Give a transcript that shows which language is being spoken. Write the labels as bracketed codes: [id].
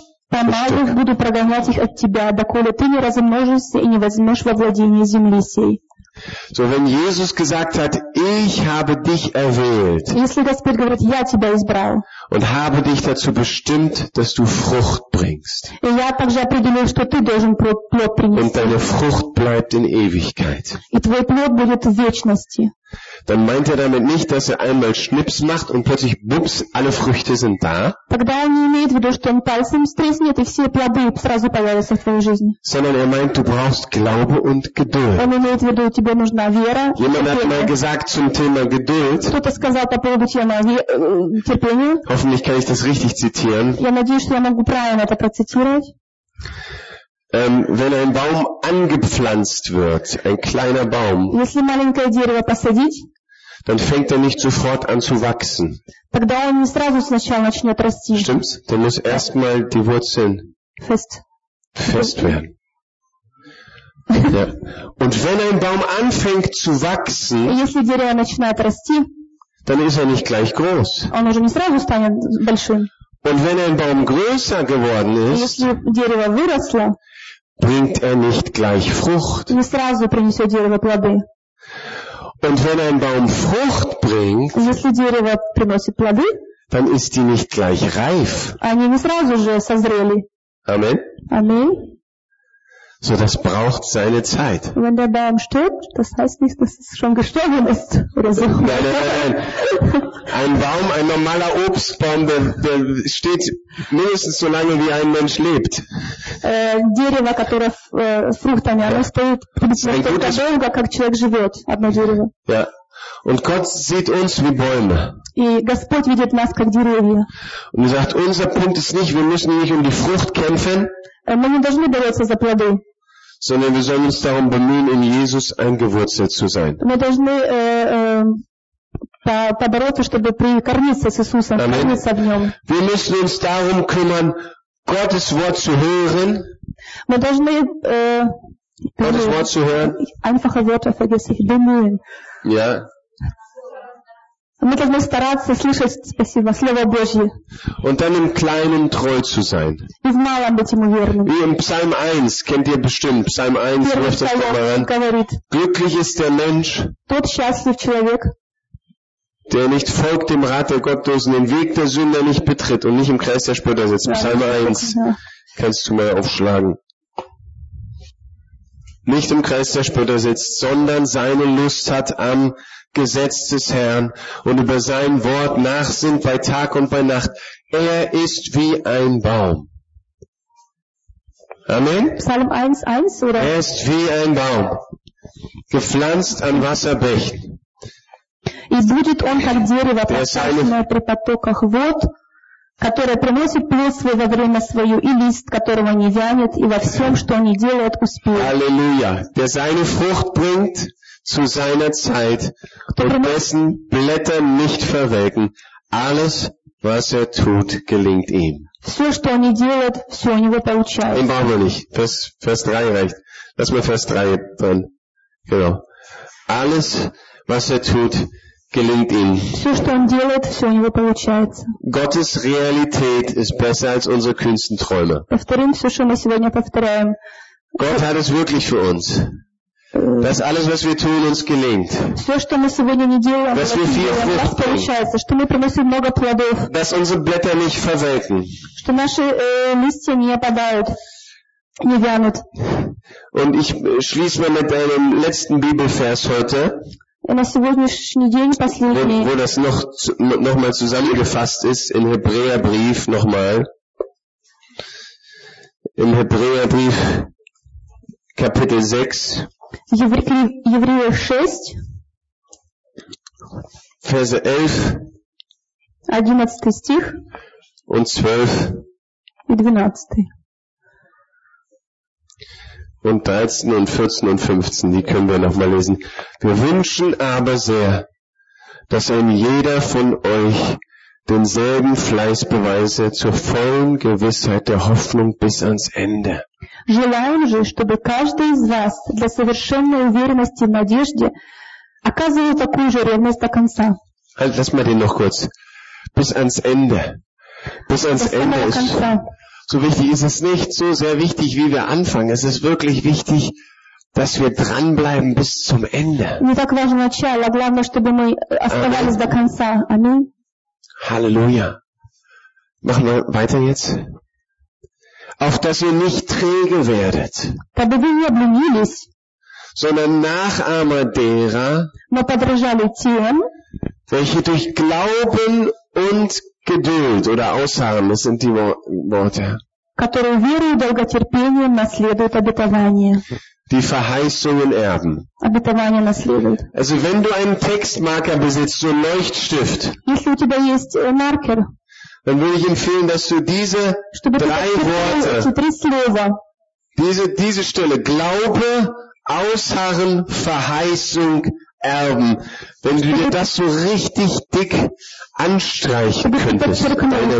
[ru] Буду прогонять их от тебя, доколе ты не размножишься и не возьмешь во владение земли сей. [de] So wenn Jesus gesagt hat, ich habe dich erwählt. [ru] Если Господь говорит, я тебя избрал. [de] Und habe dich dazu bestimmt, dass du Frucht bringst. [ru] И я также определил, что ты должен плод принести. [de] Und deine Frucht bleibt in Ewigkeit. [ru] И твой плод будет в вечности. [de] Dann meint er damit nicht, dass er einmal Schnips macht und плötzlich bups, alle Früchte sind da. [ru] Тогда он не имеет в виду, что он пальцем стреснет и все плоды сразу появятся в твоей жизни. [de] Sondern er meint, du brauchst Glaube und Geduld. [ru] Он имеет в виду, тебе нужна вера. [de] Jemand hat mal gesagt zum Thema Geduld. [ru] Кто-то сказал по поводу темы терпения. [de] Hoffentlich kann ich das richtig zitieren. [ru] Я надеюсь, что я могу правильно это процитировать. [de] Wenn ein Baum angepflanzt wird, ein kleiner Baum, [ru] если маленькое дерево посадить, [de] dann fängt er nicht sofort an zu wachsen. [ru] Тогда он не сразу сначала начнет расти. [de] Stimmt's? Dann muss erstmal die Wurzeln fest werden. Ja. Und wenn ein Baum anfängt zu wachsen, [ru] если дерево начинает расти, [de] dann ist er nicht gleich groß. [ru] Он уже не сразу станет большим. [de] Und wenn ein Baum größer geworden ist, [ru] если дерево выросло, [de] bringt er nicht gleich Frucht. [ru] Не сразу принесет дерево плоды. [de] Und wenn ein Baum Frucht bringt, [ru] если дерево приносит плоды, [de] dann ist die nicht gleich reif. [ru] Они не сразу же созрели. [de] Amen. Amen. So, das braucht seine Zeit. Wenn der Baum stirbt, das heißt nicht, dass es schon gestorben ist oder so. Nein. Ein Baum, ein normaler Obstbaum, der steht mindestens so lange, wie ein Mensch lebt. [ru] Дерево, которое фруктами, оно стоит примерно столько долго, как человек живет, одно дерево. [de] Ja. Und Gott sieht uns wie Bäume. [ru] И Господь видит нас как деревья. [de] Und er sagt, unser Punkt ist nicht, wir müssen nicht um die Frucht kämpfen. [ru] Мы не должны бороться за плоды. [de] Sondern wir sollen uns darum bemühen, in Jesus eingewurzelt zu sein. [ru] Мы должны побороться, чтобы прикорниться с Иисусом, прикорниться в нем. [de] Wir müssen uns darum kümmern, Gottes Wort zu hören. [ru] Мы должны [de] Gottes Wort zu hören. Einfache Wörter vergesse ich, bemühen. Ja. [ru] Мы должны стараться слышать, спасибо, Слово Божье. [de] Und dann im Kleinen treu zu sein. [ru] И в малом быть ему верным. [de] Wie im Psalm 1, kennt ihr bestimmt, Psalm 1, ruft das mal an. [ru] Говорит, [de] glücklich ist der Mensch, [ru] тот счастлив человек, [de] der nicht folgt dem Rat der Gottlosen, den Weg der Sünder nicht betritt und nicht im Kreis der Spötter sitzt. Psalm 1, kannst du mal aufschlagen. Nicht im Kreis der Spötter sitzt, sondern seine Lust hat am Gesetz des Herrn und über sein Wort nachsinnt bei Tag und bei Nacht. Er ist wie ein Baum. Amen. Psalm 1, 1, oder? Er ist wie ein Baum, gepflanzt an Wasserbächen. [ru] И будет он как дерево, посаженное при потоках вод, которое приносит плод свой во время свое, и лист, которого не вянет, и во всем, что он делает, успеет. Аллилуйя. [de] Der seine Frucht bringt zu seiner Zeit und dessen Blätter nicht verwelken. Alles, was er tut, gelingt ihm. [ru] Все, что он делает, все у него получается. [de] Den brauchen wir nicht. Vers 3 reicht. Lass mal Vers 3 dran. Genau. Alles, was er tut, gelingt ihm. [ru] Все, что он делает, все у него получается. [de] Gottes Realität ist besser als unsere kühnsten Träume. [ru] Повторим все, что мы сегодня повторяем. [de] Gott hat es wirklich für uns. Dass alles, was wir tun, uns gelingt. [ru] Все, что мы сегодня не делаем, [de] dass wir viel Frucht [ru] получается, что мы приносим много плодов. [de] Dass unsere Blätter nicht verwelken. [ru] Что наши листья не опадают. Не вянут. [de] Und ich schließe mal mit einem letzten Bibelvers heute. [ru] На сегодняшний день последний. [de] Wo das noch mal zusammengefasst ist in Hebräerbrief nochmal. Im Hebräerbrief Kapitel 6. [ru] Евреи 6. [de] Verse 11. [ru] 11 стих. [de] Und 12. [ru] И 12. [de] Und 13 und 14 und 15, die können wir nochmal lesen. Wir wünschen aber sehr, dass ein jeder von euch denselben Fleiß beweise zur vollen Gewissheit der Hoffnung bis ans Ende. Желаем же, чтобы каждый из вас для совершенной уверенности в надежде оказывал такую же ревность до конца. Halt, lass mal den noch kurz. Bis ans Ende. Bis ans Ende ist... So wichtig ist es nicht so sehr wichtig, wie wir anfangen. Es ist wirklich wichtig, dass wir dranbleiben bis zum Ende. [ru] Не так важно начало, а главное, чтобы мы оставались до конца. Аминь. [de] Halleluja. Machen wir weiter jetzt. Auf dass ihr nicht träge werdet. [ru] Чтобы вы не обленились. [de] Sondern Nachahmer derer, [ru] но подражали тем, [de] welche durch Glauben und Geduld oder Ausharren, das sind die Worte, [ru] которые верой и долготерпением наследуют обетование. [de] Die Verheißungen erben. [ru] Обетование наследуют. [de] Also wenn du einen Textmarker besitzt, so einen Leuchtstift, [ru] если у тебя есть маркер, [de] dann würde ich empfehlen, dass du diese drei Worte, [ru] эти три слова, [de] diese Stelle, Glaube, Ausharren, Verheißung, Erben, wenn du dir das so richtig dick anstreichen könntest in deiner